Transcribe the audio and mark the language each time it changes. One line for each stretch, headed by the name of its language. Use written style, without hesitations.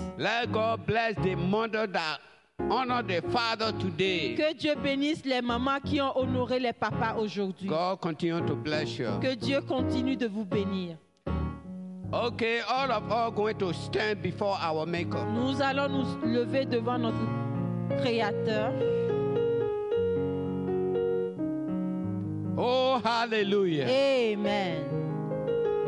English: Let God bless the mother that honor the father today.
French: Que Dieu bénisse les mamans qui ont honoré les papas aujourd'hui.
English: God continue to bless you.
French: Que Dieu continue de vous bénir.
English: Okay, all of us going to stand before our maker.
French: Nous allons nous lever devant notre Créateur.
English: hallelujah.
French: Amen.